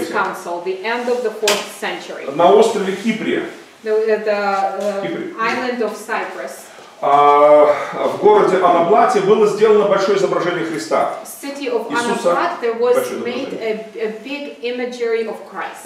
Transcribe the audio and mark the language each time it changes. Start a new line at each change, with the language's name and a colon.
English: This council, the end of the 4th century.
Russian: На острове Кипре.
English: The island of Cyprus.
Russian: В городе Анаблате было сделано большое изображение Христа.
English: City of Anablat, there was made a big imagery of Christ.